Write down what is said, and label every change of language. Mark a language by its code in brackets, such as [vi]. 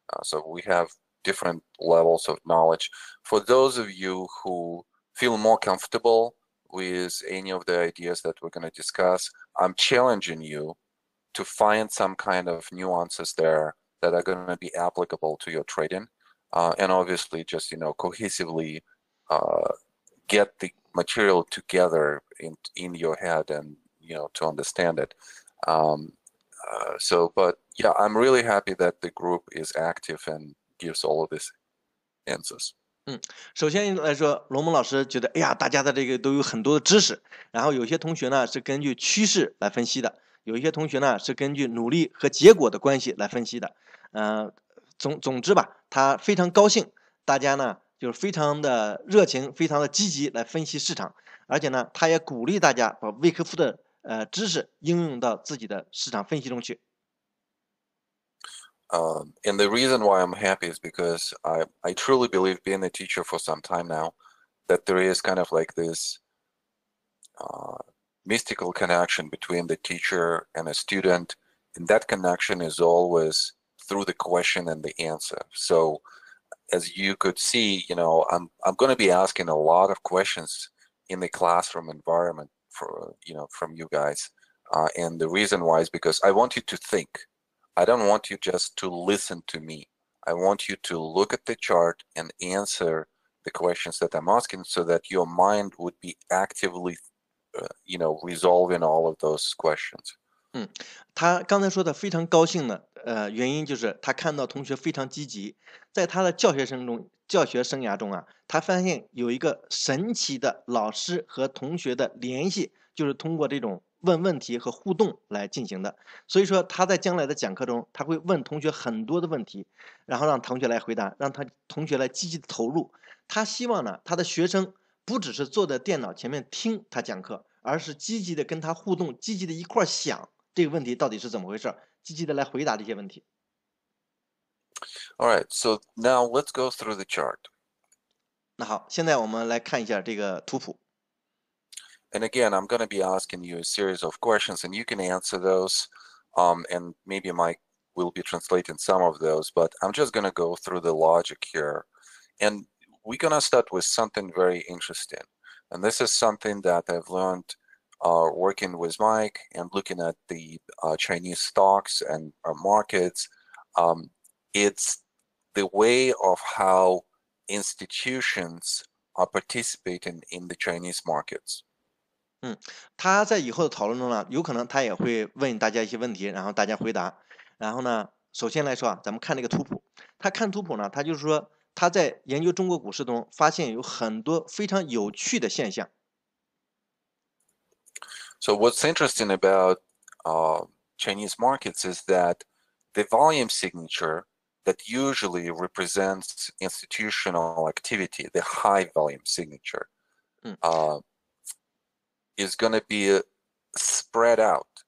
[en] So we have different levels of knowledge. For those of you who feel more comfortable with any of the ideas that we're going to discuss, I'm challenging you to find some kind of nuances there that are going to be applicable to your trading, and obviously just, you know, cohesively get the material together in your head and, you know, to understand it. But yeah, I'm really happy that the group is active and gives all of these answers. [zh] 首先来说，龙蒙老师觉得，哎呀，大家的这个都有很多的知识，然后有些同学呢是根据趋势来分析的，有些同学呢是根据努力和结果的关系来分析的。总之吧，他非常高兴，大家呢就是非常的热情，非常的积极来分析市场，而且呢，他也鼓励大家把威科夫的知识应用到自己的市场分析中去。 [en] And the reason why I'm happy is because I truly believe, being a teacher for some time now, that there is kind of like this mystical connection between the teacher and a student, and that connection is always through the question and the answer. So as you could see, you know, I'm going to be asking a lot of questions in the classroom environment for, you know, from you guys. And the reason why is because I want you to think. I don't want you just to listen to me. I want you to look at the chart and answer the questions that I'm asking, so that your mind would be actively, you know, resolving all of those questions. [zh] 他刚才说的非常高兴呢，原因就是他看到同学非常积极，在他的教学生涯中啊，他发现有一个神奇的老师和同学的联系，就是通过这种问问题和互动来进行的，所以说他在将来的讲课中，他会问同学很多的问题，然后让同学来回答，让他同学来积极的投入。他希望呢，他的学生不只是坐在电脑前面听他讲课，而是积极的跟他互动，积极的一块想这个问题到底是怎么回事，积极的来回答这些问题。 [en] All right, so now let's go through the chart. [zh] 那好，现在我们来看一下这个图谱。 [en] And again, I'm going to be asking you a series of questions, and you can answer those. And maybe Mike will be translating some of those, but I'm just going to go through the logic here. And we're going to start with something very interesting. And this is something that I've learned working with Mike and looking at the Chinese stocks and markets. It's the way of how institutions are participating in the Chinese markets. [zh] 他在以后的讨论中呢，有可能他也会问大家一些问题，然后大家回答。然后呢，首先来说啊，咱们看这个图谱。他看图谱呢，他就是说他在研究中国股市中发现有很多非常有趣的现象。 [en] So what's interesting about Chinese markets is that the volume signature that usually represents institutional activity, the high volume signature, is going to be spread out.